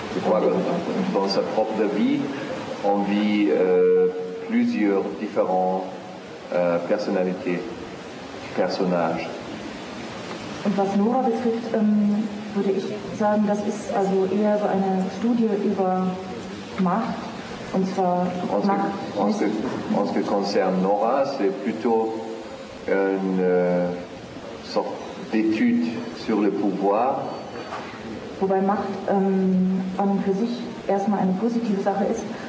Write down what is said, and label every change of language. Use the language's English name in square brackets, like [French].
[French] Je crois que dans sa propre vie, on vit plusieurs différents personnalités, personnages. [German] Und was Nora betrifft, würde ich sagen, das ist also eher so eine Studie über Macht. Und zwar [French] en ce qui concerne Nora, c'est plutôt une sorte d'étude sur le pouvoir. [German] Wobei Macht an und für sich erstmal eine positive Sache ist.